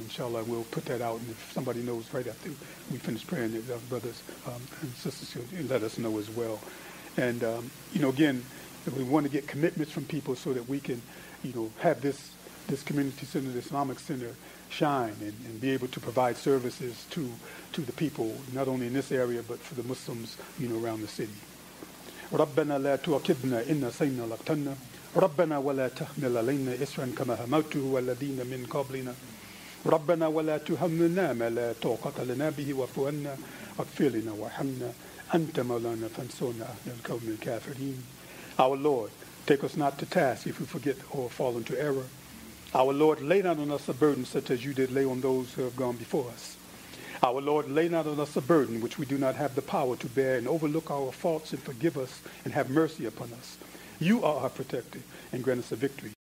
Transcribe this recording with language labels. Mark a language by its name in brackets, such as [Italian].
[English] Inshallah, we'll put that out. And if somebody knows right after we finish praying, the brothers and sisters can let us know as well. And, you know, again, we want to get commitments from people so that we can, you know, have this community center, the Islamic center, shine and be able to provide services to the people, not only in this area, but for the Muslims, you know, around the city. [Arabic] ربنا لا تؤاخذنا إن نسينا أو أخطأنا ربنا ولا تحمل علينا إصرا كما حملته على الذين من قبلنا ربنا ولا تحملنا ما لا طاقة لنا به واعف عنا واغفر لنا وارحمنا أنت مولانا فانصرنا على القوم الكافرين. [English] Our Lord, take us not to task if we forget or fall into error. Our Lord, lay not on us a burden such as you did lay on those who have gone before us. Our Lord, lay not on us a burden which we do not have the power to bear, and overlook our faults and forgive us and have mercy upon us. You are our protector and grant us a victory.